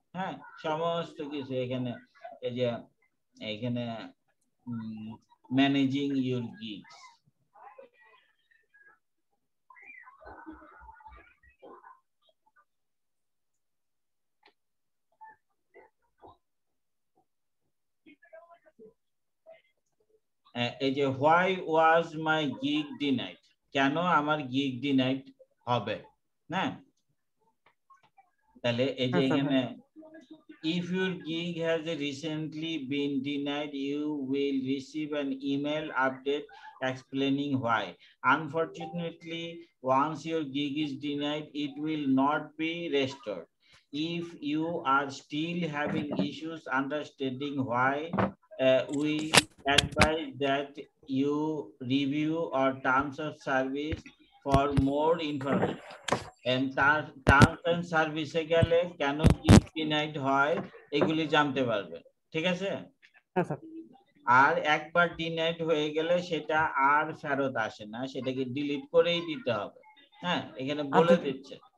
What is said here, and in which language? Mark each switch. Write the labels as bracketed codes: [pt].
[bn] হ্যাঁ সমস্ত কিছু এখানে, এই যে এখানে ম্যানেজিং ইউর গিগস, এই যে [en] why was my gig denied, [bn] কেন আমার গিগ ডিনাইড হবে। হ্যাঁ তাহলে এই যে এখানে [en] if your gig has recently been denied you will receive an email update explaining why. Unfortunately once your gig is denied it will not be restored. If you are still having issues understanding why, we advise that you review our terms of service for more information. And terms and service [bn] এ গেলে কেন gig denied হয় এগুলি জানতে পারবে। ঠিক আছে আর একবার denied হয়ে গেলে সেটা আর ফেরত আসে না, সেটাকে ডিলিট করেই দিতে হবে। হ্যাঁ এখানে বলে দিচ্ছে।